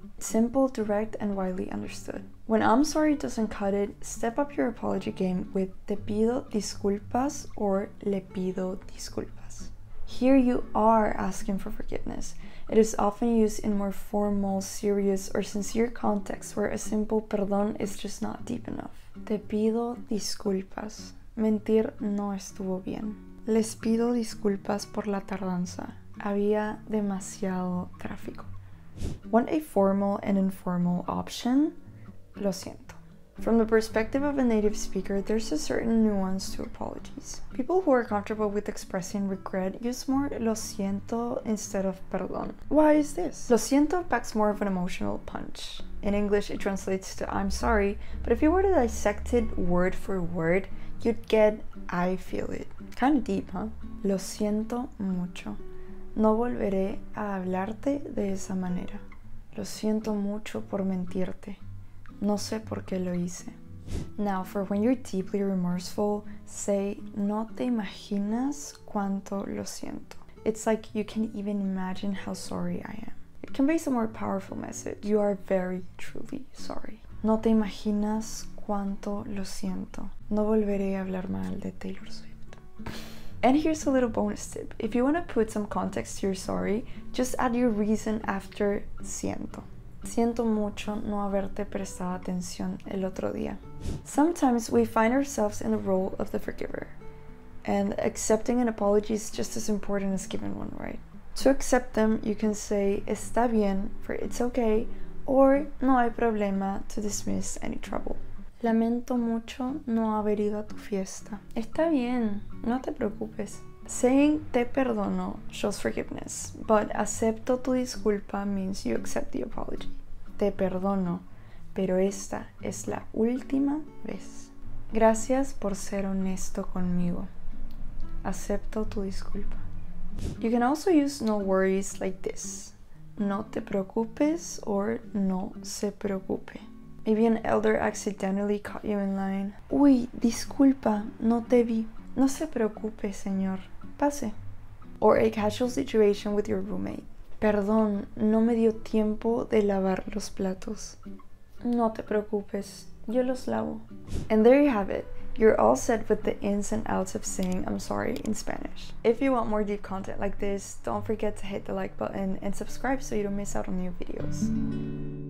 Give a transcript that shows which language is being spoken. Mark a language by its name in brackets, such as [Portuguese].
[English] Simple, direct, and widely understood. When I'm sorry doesn't cut it, step up your apology game with [Spanish] te pido disculpas [English] or [Spanish] le pido disculpas. [English] Here you are asking for forgiveness. It is often used in more formal, serious, or sincere contexts where a simple perdón is just not deep enough. [Spanish] Te pido disculpas. Mentir no estuvo bien. Les pido disculpas por la tardanza. Había demasiado tráfico. [English] Want a formal and informal option? [Spanish] Lo siento. [English] From the perspective of a native speaker, there's a certain nuance to apologies. People who are comfortable with expressing regret use more [Spanish] lo siento [English] instead of perdón. Why is this? [Spanish] Lo siento [English] packs more of an emotional punch. In English, it translates to I'm sorry, but if you were to dissect it word for word, you'd get I feel it. Kind of deep, huh? [Spanish] Lo siento mucho. No volveré a hablarte de esa manera. Lo siento mucho por mentirte. No sé por qué lo hice. [English] Now, for when you're deeply remorseful, say, [Spanish] no te imaginas cuánto lo siento. [English] It's like you can even imagine how sorry I am. It conveys a more powerful message. You are very, truly sorry. [Spanish] No te imaginas cuánto lo siento. No volveré a hablar mal de Taylor Swift. [English] And here's a little bonus tip. If you want to put some context to your sorry, just add your reason after siento. [Spanish] Siento mucho no haberte prestado atención el otro día. [English] Sometimes we find ourselves in the role of the forgiver. And accepting an apology is just as important as giving one, right? To accept them, you can say [Spanish] está bien [English] for it's okay, or [Spanish] no hay problema [English] to dismiss any trouble. [Spanish] Lamento mucho no haber ido a tu fiesta. Está bien, no te preocupes. [English] Saying [Spanish] te perdono [English] shows forgiveness, but [Spanish] acepto tu disculpa [English] means you accept the apology. [Spanish] Te perdono, pero esta es la última vez. Gracias por ser honesto conmigo. Acepto tu disculpa. [English] You can also use no worries like this. [Spanish] No te preocupes or no se preocupe. [English] Maybe an elder accidentally caught you in line. [Spanish] Uy, disculpa, no te vi. No se preocupe, señor. Pase. [English] Or a casual situation with your roommate. [Spanish] Perdón, no me dio tiempo de lavar los platos. No te preocupes, yo los lavo. [English] And there you have it. You're all set with the ins and outs of saying I'm sorry in Spanish. If you want more deep content like this, don't forget to hit the like button and subscribe so you don't miss out on new videos.